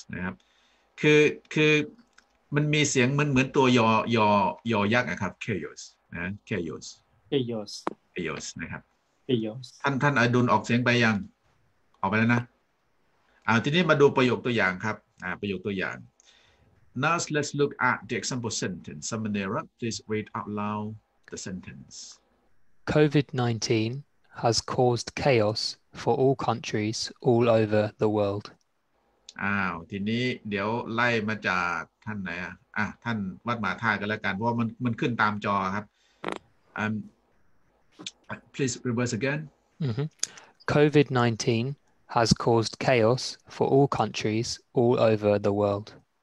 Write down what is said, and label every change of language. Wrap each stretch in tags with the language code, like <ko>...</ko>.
<th>นะครับ คือมันมีเสียงเหมือนตัวยอยักษ์นะครับ Chaos. นะ Chaos.</th> <en>Chaos.</en> <th>Chaos. นะครับ</th> <en>Chaos.</en> <th>ท่านอดุลออกเสียงไปยังออกไปแล้วนะ ทีนี้มาดูประโยคตัวอย่างครับ ประโยคตัวอย่าง</th> <en>Now let's look at the example sentence. Samanera, please read out loud the sentence. COVID-19 has caused chaos for all countries all over the world.</en> <th>ทีนี้เดี๋ยวไล่มาจากท่านไหนอ่ะท่านวัดมาท่ากันแล้วกันเพราะว่ามันขึ้นตามจอครับ</th> <en>please reverse again. Mm-hmm. COVID-19 has caused chaos for all countries all over the world.</en>